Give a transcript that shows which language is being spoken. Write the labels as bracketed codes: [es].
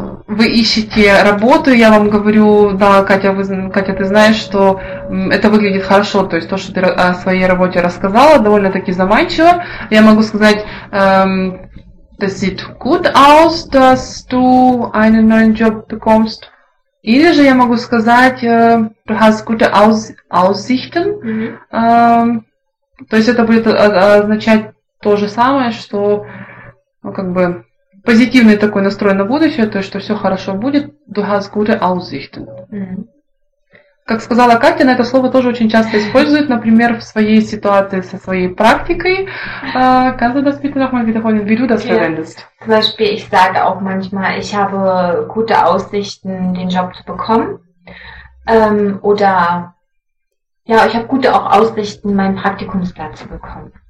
[ru] вы ищете работу, я вам говорю, да, Катя, Катя, ты знаешь, что это выглядит хорошо, то есть то, что ты о своей работе рассказала, довольно-таки заманчиво. Я могу сказать, [de] das sieht gut aus, dass du einen neuen Job bekommst. [ru] Или же я могу сказать, [de] du hast gute Aussichten. Mm-hmm. [ru] То есть это будет означать то же самое, что, ну, как бы... Позитивный такой настрой на будущее, то есть, что все хорошо будет. [de] Du hast gute Aussichten. Mm-hmm. [ru] Как сказала Катя, это слово тоже очень часто использует, например, в своей ситуации со своей практикой. [de] Kannst du das bitte nochmal wiederholen, wie du das verwendest? Zum Beispiel, ich sage auch manchmal, ich habe gute Aussichten, den Job zu bekommen. Oder, ja, ich habe gute auch Aussichten, meinen Praktikumsplatz zu bekommen.